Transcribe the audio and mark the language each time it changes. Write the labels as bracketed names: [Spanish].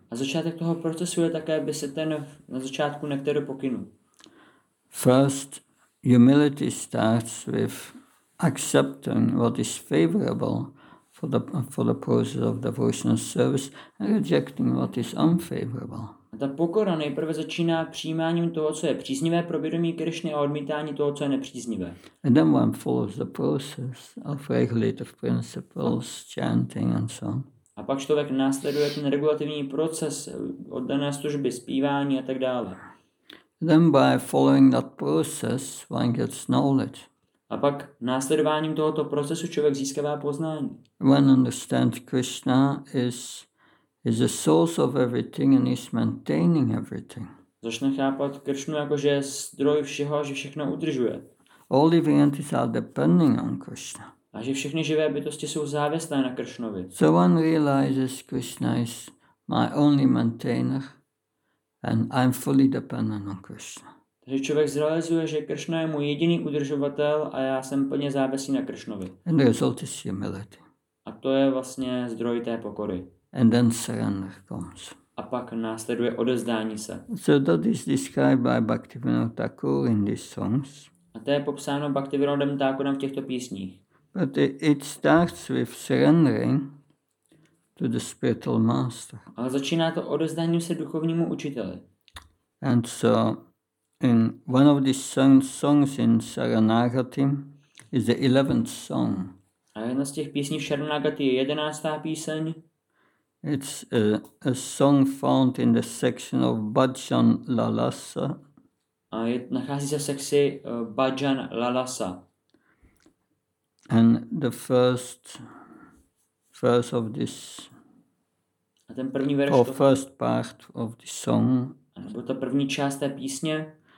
[Czech] A začátek toho procesu je také vysvětlen na začátku Nektaru pokynu. [English] First, humility starts with accepting what is favorable for the process of devotional service and rejecting what is unfavorable. [Czech] Ta pokora nejprve začíná přijímáním toho, co je příznivé pro vědomí Krišny a odmítání toho, co je nepříznivé. [English] And then one follows the process of regulative principles, chanting and so on. [Czech] A pak člověk následuje ten regulativní proces oddané služby, zpívání a tak dále. [English] Then by following that process, one gets knowledge. [Czech] A pak následováním tohoto procesu člověk získává poznání. [English] One understands Krishna is the source of everything and is maintaining everything. [Czech] Začne chápat Krishnu jako že je zdroj všeho, že všechno udržuje. [English] All living entities are depending on Krishna. [Czech] A že všechny živé bytosti jsou závislé na Krishnovi. [English] So one realizes Krishna is my only maintainer and I'm fully dependent on Krishna. [Czech] Takže člověk zrealizuje, že Krishna je můj jediný udržovatel a já jsem plně závislý na Krishnovi. [English] And the result is humility. [Czech] A to je vlastně zdroj té pokory. [English] And then surrender comes. [Czech] A pak následuje odezdání se. [English] So that is described by Bhaktivinoda Thakur in these songs. [Czech] A to je popsáno Bhaktivinodem Thakurem v těchto písních. [English] But it starts with surrendering to the spiritual master. [Czech] Ale začíná to odezdáním se duchovnímu učiteli. [English] And so in one of these songs in Saranagati is the 11th song. [Czech] A jedna z těch písní v Saranagati je 11. píseň. [English] It's a song found in the section of Bhajan Lalasa. [Czech] A je, nachází se v sekci Bhajan Lalasa. [English] And the first of this. [Czech] A ten první verš. [English] Or first part of the song. [Czech] Nebo ta první část té písně.